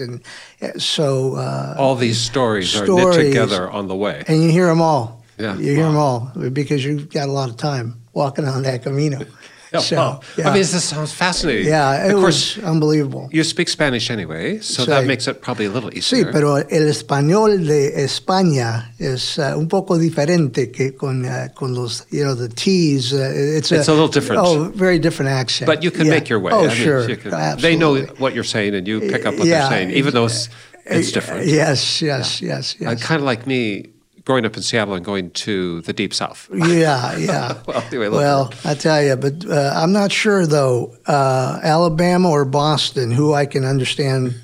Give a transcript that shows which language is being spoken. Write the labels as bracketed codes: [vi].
[en] And so all these stories are knit together on the way. And you hear them all. Yeah, you hear them all because you've got a lot of time walking on that Camino. I mean, this sounds fascinating. Yeah, of course, unbelievable. You speak Spanish anyway, so that makes it probably a little easier. [es] Sí, pero el español de España es un poco diferente que con los, [en] you know, the T's. It's a little different. Oh, very different accent. But you can make your way. Oh, sure. They know what you're saying, and you pick up what they're saying, even though it's different. Yes. Kind of like me growing up in Seattle and going to the Deep South. Yeah. Well, I tell you, but I'm not sure, though, Alabama or Boston, who I can understand